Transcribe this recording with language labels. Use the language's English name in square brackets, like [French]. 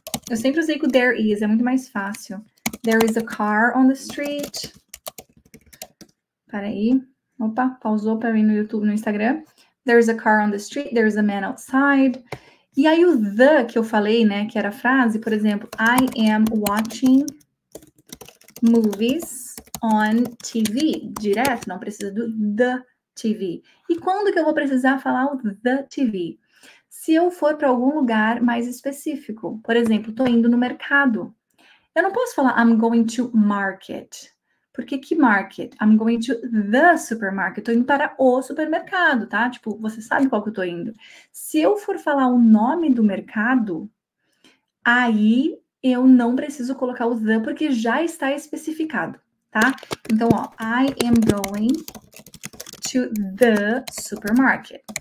[Portuguese] Eu sempre usei com there is, é muito mais fácil. [English] There is a car on the street. [Portuguese] Peraí. Opa, pausou para mim no YouTube, no Instagram. [English] There is a car on the street. There is a man outside. [Portuguese] E aí, o the que eu falei, né, que era a frase, por exemplo, [English] I am watching movies on TV. [Portuguese] Direto, não precisa do the TV. E quando que eu vou precisar falar o the TV? Se eu for para algum lugar mais específico. Por exemplo, estou indo no mercado. Eu não posso falar [English] I'm going to market. [Portuguese] Porque que market? [English] I'm going to the supermarket. [Portuguese] Tô indo para o supermercado, tá? Tipo, você sabe qual que eu tô indo. Se eu for falar o nome do mercado, aí eu não preciso colocar o the porque já está especificado, tá? [English] Então, ó, I am going to the supermarket.